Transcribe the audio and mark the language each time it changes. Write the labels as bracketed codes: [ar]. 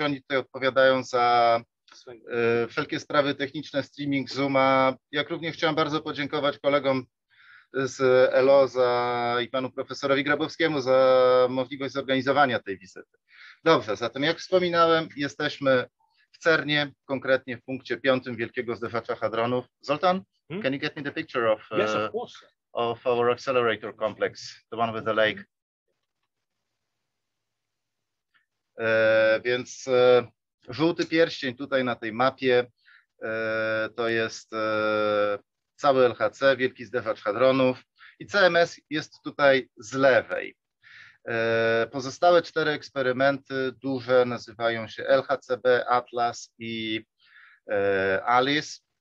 [pl] Oni tutaj odpowiadają za wszelkie sprawy techniczne, streaming, Zooma. Jak również chciałem bardzo podziękować kolegom z ELO i panu profesorowi Grabowskiemu za możliwość zorganizowania tej wizyty. Dobrze, zatem jak wspominałem, jesteśmy w CERN-ie, konkretnie w punkcie 5 Wielkiego Zderzacza Hadronów. [en] Zoltan, can you get me the picture of, yes, of course, of our accelerator complex, the one with the lake? [pl] Więc żółty pierścień tutaj na tej mapie to jest cały LHC, Wielki Zderzacz Hadronów i CMS jest tutaj z lewej. Pozostałe cztery eksperymenty duże nazywają się LHCB, Atlas i ALICE.